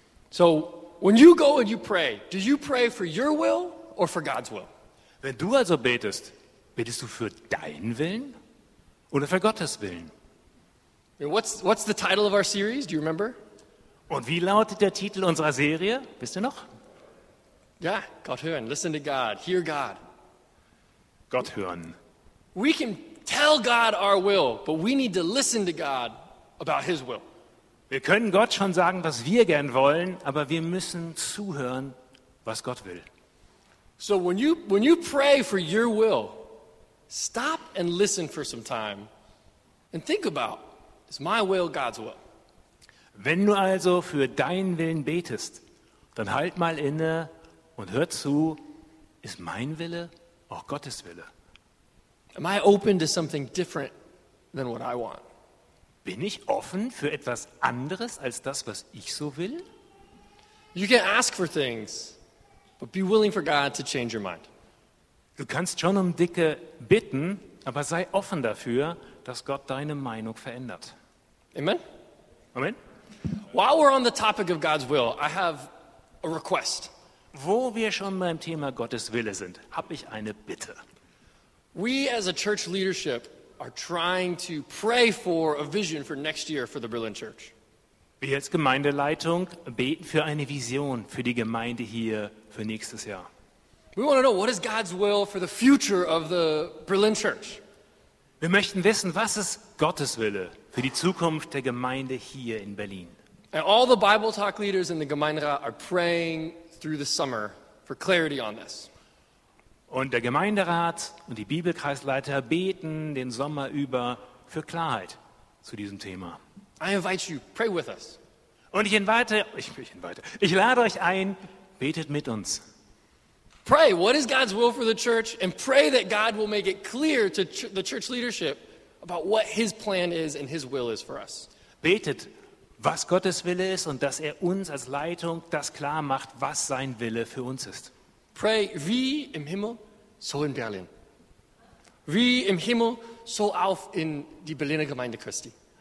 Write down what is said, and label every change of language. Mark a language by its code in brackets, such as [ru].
[en] So, when you go and you pray, do you pray for your will or for God's will? [de] Wenn du also betest, betest du für deinen Willen oder für Gottes Willen? [en] What's the title of our series? Do you remember? [de] Und wie lautet der Titel unserer Serie? Wisst ihr noch? [en] Yeah, [de] Gott hören. [en] Listen to God. Hear God. [de] Gott hören. [en] We can tell God our will, but we need to listen to God about his will. [de] Wir können Gott schon sagen, was wir gern wollen, aber wir müssen zuhören, was Gott will. [en] So when you pray for your will, stop and listen for some time and think about, is my will God's will? [de] Wenn du also für deinen Willen betest, dann halt mal inne und hör zu, ist mein Wille auch Gottes Wille? [en] Am I open to something different than what I want? [de] Bin ich offen für etwas anderes als das, was ich so will? [en] You can ask for things, but be willing for God to change your mind. [de] Du kannst schon um Dinge bitten, aber sei offen dafür, dass Gott deine Meinung verändert. Amen. Amen. [en] While we're on the topic of God's will, I have a request. [de] Wo wir schon beim Thema Gottes Wille sind, habe ich eine Bitte. [en] We as a church leadership are trying to pray for a vision for next year for the Berlin Church. [de] Wir als Gemeindeleitung beten für eine Vision für die Gemeinde hier für nächstes Jahr. [en] We want to know, what is God's will for the future of the Berlin Church? [de] Wir möchten wissen, was ist Gottes Wille für die Zukunft der Gemeinde hier in Berlin? [en] And all the Bible Talk leaders in the Gemeinderat are praying through the summer for clarity on this. [de] Und der Gemeinderat und die Bibelkreisleiter beten den Sommer über für Klarheit zu diesem Thema. [en] I invite you, pray with us. [de] Und ich lade euch ein, betet mit uns. [en] Pray, what is God's will for the church? And pray that God will make it clear to the church leadership about what his plan is and his will is for us. [de] Betet, was Gottes Wille ist und dass er uns als Leitung das klar macht, was sein Wille für uns ist. Pray, wie im Himmel, so in Berlin. Wie im Himmel, so auf in die Berliner Gemeinde Christi.